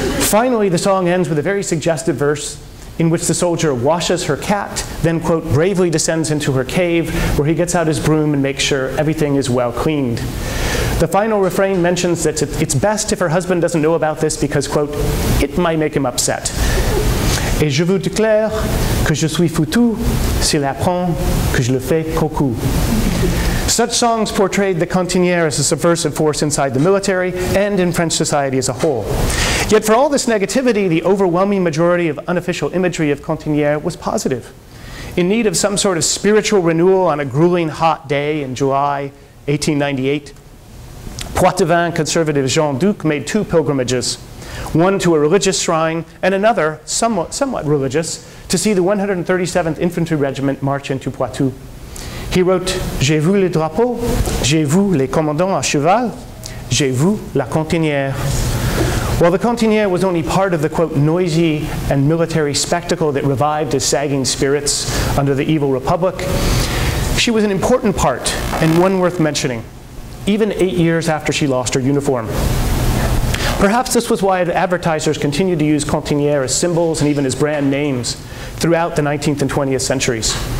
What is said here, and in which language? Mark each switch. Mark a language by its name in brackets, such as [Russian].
[English] Finally, the song ends with a very suggestive verse in which the soldier washes her cat, then, quote, bravely descends into her cave where he gets out his broom and makes sure everything is well cleaned. The final refrain mentions that it's best if her husband doesn't know about this because, quote, it might make him upset. [French] Et je vous déclare que je suis foutu s'il apprend que je le fais coucou. [English] Such songs portrayed the Cantinière as a subversive force inside the military and in French society as a whole. Yet for all this negativity, the overwhelming majority of unofficial imagery of Cantinière was positive. In need of some sort of spiritual renewal on a grueling hot day in July 1898, Poitevin conservative Jean Duc made two pilgrimages, one to a religious shrine and another, somewhat religious, to see the 137th Infantry Regiment march into Poitou. He wrote, [French] j'ai vu le drapeau, j'ai vu les commandants à cheval, j'ai vu la Cantinière. [English] While the Cantinière was only part of the, quote, noisy and military spectacle that revived his sagging spirits under the evil republic, she was an important part and one worth mentioning, even 8 years after she lost her uniform. Perhaps this was why the advertisers continued to use Cantinière as symbols and even as brand names throughout the 19th and 20th centuries.